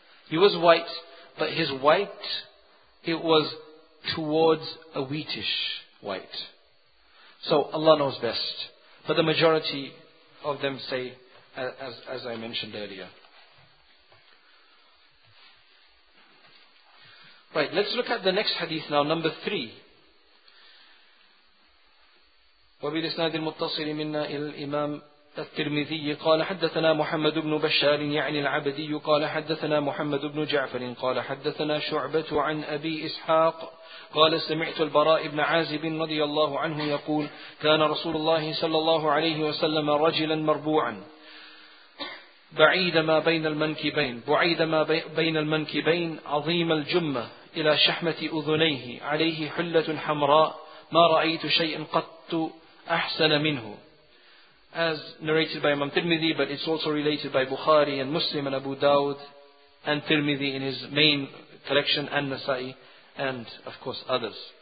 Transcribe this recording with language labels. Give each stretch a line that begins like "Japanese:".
English: He was white, but his white, it was towards a wheatish white. So Allah knows best. But the majority of them say, as I mentioned earlier. Right, let's look at the next hadith now, number 3.
Arabic: وبإسناد المتصل منا إلى الإمام الترمذي قال حدثنا محمد بن بشار يعني العبدي قال حدثنا محمد بن جعفر قال حدثنا شعبة عن أبي إسحاق قال سمعت البراء بن عازب رضي الله عنه يقول كان رسول الله صلى الله عليه وسلم رجلا مربوعا بعيد ما بين المنكبين بعيد ما بين المنكبين عظيم الجمة إلى شحمة أذنيه عليه حلة حمراء ما رأيت شيئا قط أحسن منه.
English: As narrated by Imam Tirmidhi, but it's also related by Bukhari and Muslim and Abu Dawud and Tirmidhi in his main collection, and Nasa'i, and of course others.